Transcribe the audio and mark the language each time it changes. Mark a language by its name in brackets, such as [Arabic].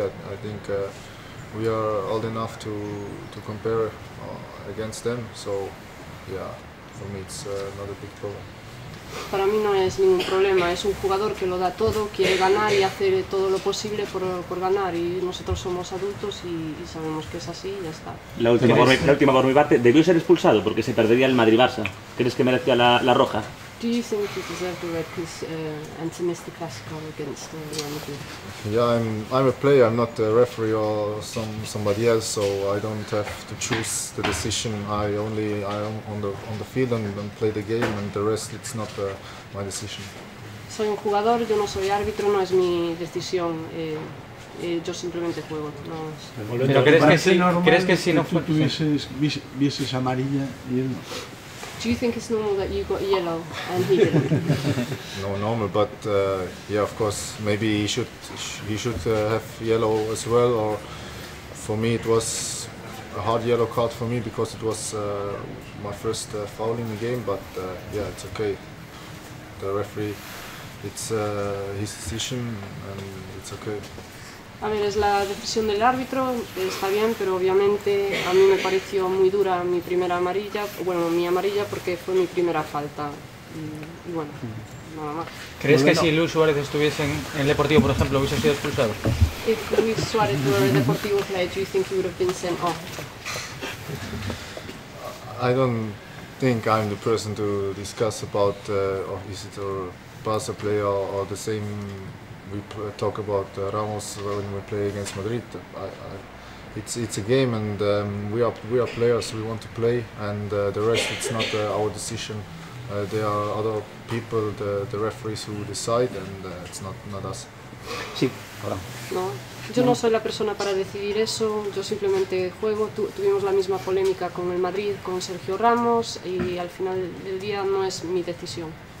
[English] I think we are old enough to compare against them, so yeah, for me it's not a big problem. [Spanish] Para mí no es ningún problema, es un jugador que lo da todo, quiere ganar y hacer todo lo posible por ganar. Y nosotros somos adultos y sabemos que es así y ya está. La última por mi parte, debió ser expulsado porque se perdería el Madrid-Barça. ¿Crees que merecía la roja? [English] Do you think he deserved a red and to miss the Clásico against Real Madrid? Yeah, I'm a player, I'm not a referee or somebody else, so I don't have to choose the decision. I'm on the field and play the game, and the rest it's not my decision. [Spanish] Soy un jugador, yo no soy árbitro, no es mi decisión. Yo simplemente juego. No. Pero ¿crees que si no fue tuvieses amarilla y él no? [English] Do you think it's normal that you got yellow and he didn't? No, normal, but yeah, of course, maybe he should have yellow as well. Or for me, it was a hard yellow card for me because it was my first foul in the game. But yeah, it's okay. The referee, it's his decision, and it's okay. [Spanish] A ver, es la decisión del árbitro, está bien, pero obviamente a mí me pareció muy dura mi primera amarilla, bueno, mi amarilla porque fue mi primera falta y bueno, nada más. ¿Crees que si Luis Suárez estuviese en el Deportivo, por ejemplo, hubiese sido expulsado? [English] If Luis Suárez were a Deportivo player, do you think he would have been sent off? I don't think I'm the person to discuss about is it a Barça player or the same. We talk about Ramos when we play against Madrid. It's a game, and we are players. We want to play, and the rest it's not our decision. There are other people, the referees who decide, and it's not us. [Spanish] Sí. No, yo no soy la persona para decidir eso, yo simplemente juego. Tuvimos la misma polémica con el Madrid, con Sergio Ramos, y al final del día no es mi decisión.